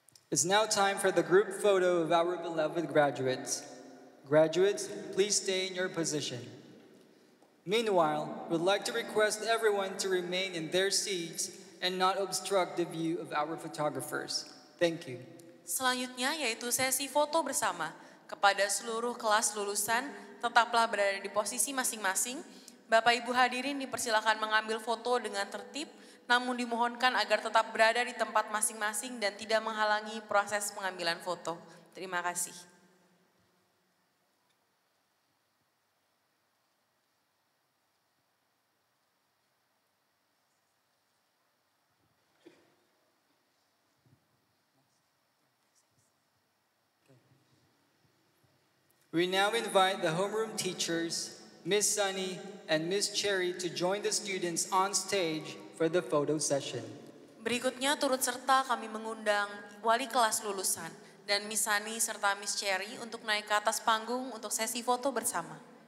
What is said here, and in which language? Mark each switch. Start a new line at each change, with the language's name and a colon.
English: It's now time for the group photo of our beloved graduates. Graduates, please stay in your position. Meanwhile, we'd like to request everyone to remain in their seats and not obstruct the view of our photographers. Thank you.
Indonesian: Selanjutnya yaitu sesi foto bersama. Kepada seluruh kelas lulusan, tetaplah berada di posisi masing-masing. Bapak Ibu hadirin dipersilakan mengambil foto dengan tertib. Namun dimohonkan agar tetap berada di tempat masing-masing dan tidak menghalangi proses pengambilan foto. Terima kasih.
English: We now invite the homeroom teachers, Miss Sunny and Miss Cherry to join the students on stage for the photo session.
Indonesian: Berikutnya turut serta kami mengundang wali kelas lulusan dan Miss Sunny serta Miss Cherry untuk naik ke atas panggung untuk sesi foto bersama.